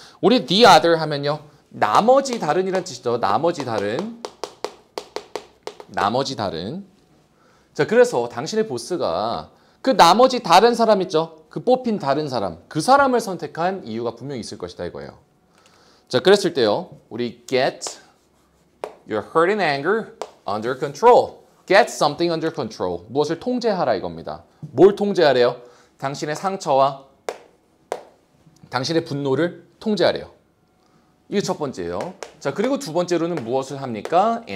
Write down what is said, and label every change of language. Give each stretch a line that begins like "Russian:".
Korean: 우리
English: the other
Korean: 하면요, 나머지 다른이란 뜻이죠. 나머지 다른, 나머지 다른. 자, 그래서 당신의 보스가 그 나머지 다른 사람 있죠. 그 뽑힌 다른 사람, 그 사람을 선택한 이유가 분명히 있을 것이다 이거예요. 자, 그랬을 때요, 우리
English: get your hurt and anger under control, get something under control,
Korean: 무엇을 통제하라 이겁니다. 뭘 통제하래요? 당신의 상처와 당신의 분노를 통제하래요. 이게 첫 번째예요. 자, 그리고 두 번째로는 무엇을 합니까?